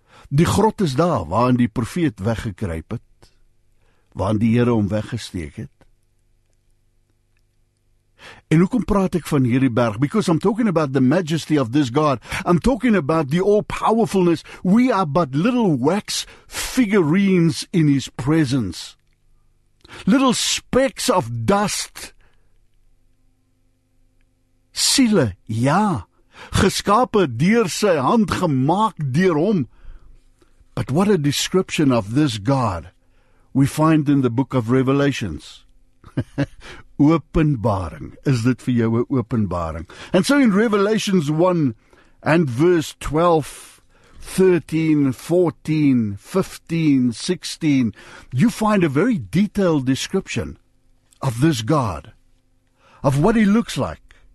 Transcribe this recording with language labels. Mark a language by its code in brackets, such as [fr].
[af] Die grot is daar waarin die profeet weggekruip het, waarin die Here hom weggesteek het. En hoekom praat ek van hierdie berg? [en] Because I'm talking about the majesty of this God. I'm talking about the all-powerfulness. We are but little wax figurines in his presence. Little specks of dust. [af] Siele, ja. Geskape deur sy hand, gemaak deur hom. [en] But what a description of this God we find in the book of Revelations. [af] Openbaring. Is dit vir jou 'n openbaring? [en] And so in Revelations 1 and verse 12, 13, 14, 15, 16, you find a very detailed description of this God, of what he looks like.